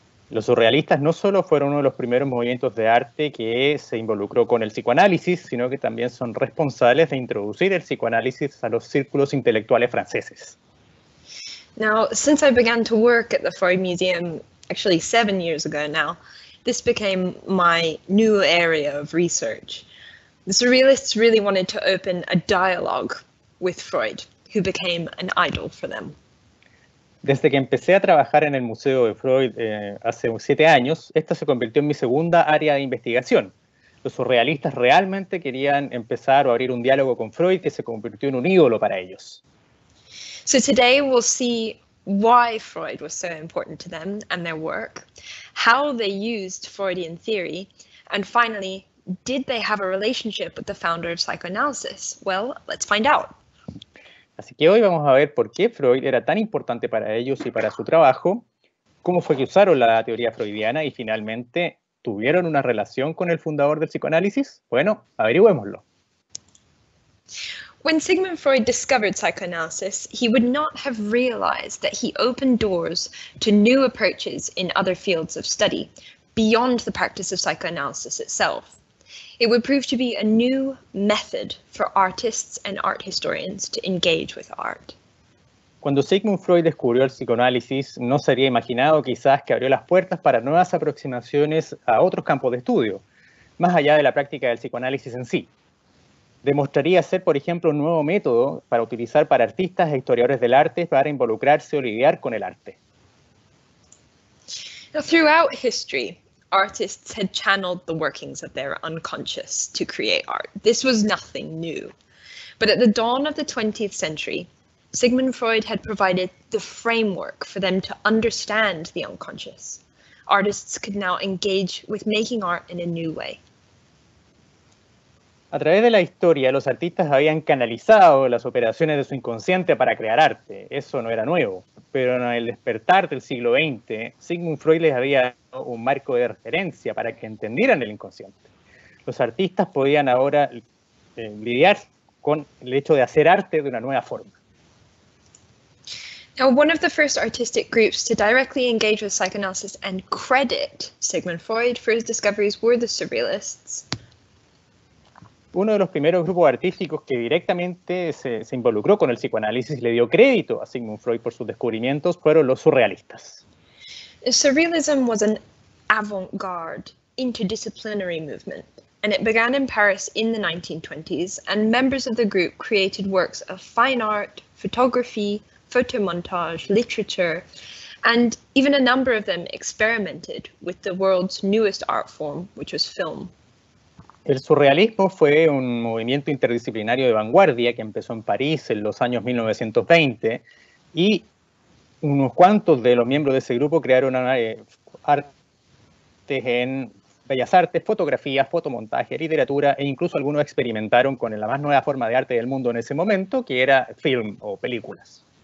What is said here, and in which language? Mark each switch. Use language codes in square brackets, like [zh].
[es] Los surrealistas no solo fueron uno de los primeros movimientos de arte que se involucró con el psicoanálisis, sino que también son responsables de introducir el psicoanálisis a los círculos intelectuales franceses. [en] Now, since I began to work at the Freud Museum, actually 7 years ago now, this became my new area of research. The surrealists really wanted to open a dialogue with Freud, who became an idol for them. [es] Desde que empecé a trabajar en el Museo de Freud hace 7 años, esta se convirtió en mi segunda área de investigación. Los surrealistas realmente querían empezar o abrir un diálogo con Freud que se convirtió en un ídolo para ellos. [en] So today we'll see why Freud was so important to them and their work, how they used Freudian theory, and finally, did they have a relationship with the founder of psychoanalysis? Well, let's find out. [es] Así que hoy vamos a ver por qué Freud era tan importante para ellos y para su trabajo, cómo fue que usaron la teoría freudiana y finalmente tuvieron una relación con el fundador del psicoanálisis. Bueno, averigüémoslo. [en] When Sigmund Freud discovered psychoanalysis, he would not have realized that he opened doors to new approaches in other fields of study, beyond the practice of psychoanalysis itself. It would prove to be a new method for artists and art historians to engage with art. [es] Cuando Sigmund Freud descubrió el psicoanálisis, no se había imaginado quizás que abrió las puertas para nuevas aproximaciones a otros campos de estudio, más allá de la práctica del psicoanálisis en sí. Demostraría ser, por ejemplo, un nuevo método para utilizar para artistas e historiadores del arte para involucrarse o lidiar con el arte. [en] Now, throughout history, artists had channeled the workings of their unconscious to create art. This was nothing new. But at the dawn of the 20th century, Sigmund Freud had provided the framework for them to understand the unconscious. Artists could now engage with making art in a new way. [es] A través de la historia, los artistas habían canalizado las operaciones de su inconsciente para crear arte. Eso no era nuevo. Pero en el despertar del siglo XX, Sigmund Freud les había dado un marco de referencia para que entendieran el inconsciente. Los artistas podían ahora lidiar con el hecho de hacer arte de una nueva forma. [en] Now, one of the first artistic groups to directly engage with psychoanalysis and credit Sigmund Freud for his discoveries were the surrealists. [es] Uno de los primeros grupos artísticos que directamente se involucró con el psicoanálisis y le dio crédito a Sigmund Freud por sus descubrimientos fueron los surrealistas. [en] Surrealism was an avant-garde interdisciplinary movement, and it began in Paris in the 1920s, and members of the group created works of fine art, photography, photomontage, literature, and even a number of them experimented with the world's newest art form, which was film. [es] El surrealismo fue un movimiento interdisciplinario de vanguardia que empezó en París en los años 1920 y unos cuantos de los miembros de ese grupo crearon artes en bellas artes, fotografía, fotomontaje, literatura e incluso algunos experimentaron con la más nueva forma de arte del mundo en ese momento, que era film o películas.